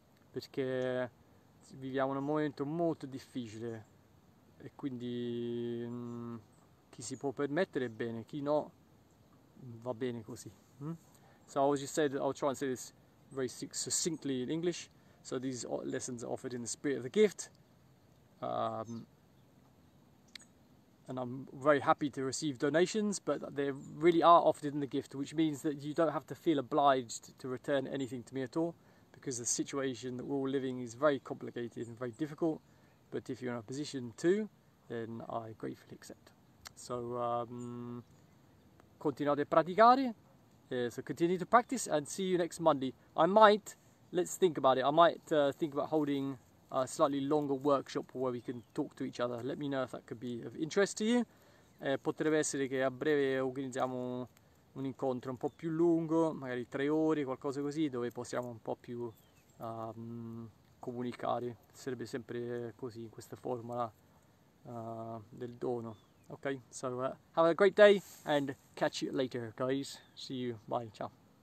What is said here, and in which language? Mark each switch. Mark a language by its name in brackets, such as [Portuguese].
[Italian] perché viviamo in un momento molto difficile e quindi chi si può permettere è bene, chi no va bene così. [English] So as you said, I'll try and say this very succinctly in English. So these lessons are offered in the spirit of the gift. And I'm very happy to receive donations, but they really are offered in the gift, which means that you don't have to feel obliged to return anything to me at all, because the situation that we're all living is very complicated and very difficult. But if you're in a position to, then I gratefully accept. [Italian] So continuate a praticare. [English] So continue to practice and see you next Monday. Let's think about it. I might think about holding a slightly longer workshop where we can talk to each other. Let me know if that could be of interest to you. [Italian] Potrebbe essere che a breve organizziamo un incontro un po' più lungo, magari 3 ore, qualcosa così, dove possiamo un po' più comunicare. Sarebbe sempre così, in questa formula del dono. [English] Okay, so have a great day and catch you later, guys. See you. Bye. Ciao.